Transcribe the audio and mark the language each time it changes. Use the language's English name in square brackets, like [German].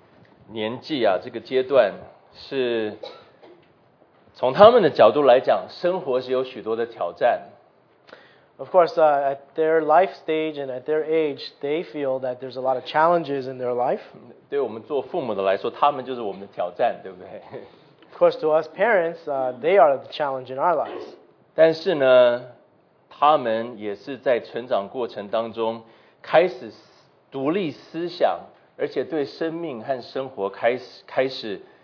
[Chinese] 我们都知道青少年的这个年纪啊，这个阶段是。从他们的角度来讲，生活是有许多的挑战。 [English] Of course, at their life stage and at their age, they feel that there's a lot of challenges in their life. [Chinese] 对我们做父母的来说，他们就是我们的挑战，对不对？ [English] Of course, to us parents, they are the challenge in our lives. [Chinese] 但是呢，他们也是在成长过程当中开始独立思想，而且对生命和生活开始。